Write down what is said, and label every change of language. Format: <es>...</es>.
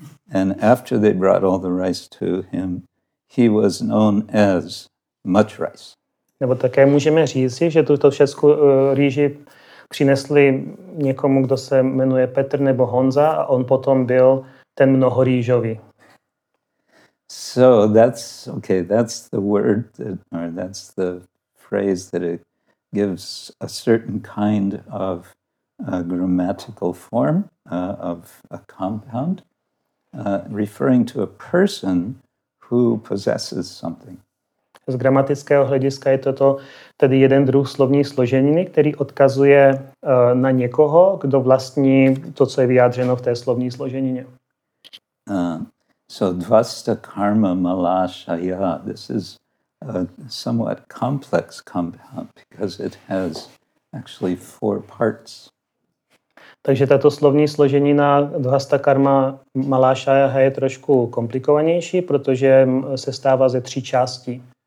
<en>And after they brought all the rice to him, he was known as much rice.</en> <cs>Nebo také můžeme říct, že tuto všecku rýži přinesli někomu, kdo se jmenuje Petr nebo Honza, a on potom byl ten mnohorýžový.</cs> <en>So that's okay, that's the word that, or that's the phrase that it gives a certain kind of grammatical form of a compound referring to a person who possesses something.</en> <cs>Z gramatického hlediska je to tedy jeden druh slovní složeniny, který odkazuje na někoho, kdo vlastní to, co je vyjádřeno v té slovní složenině.</cs> <en>So dvasta karma mala shaya. This is a somewhat complex compound because it has actually four parts.</en> <cs>Takže tato slovní složenina dvasta karma mala shaya je trošku komplikovanější, protože se stává ze tří části.</cs>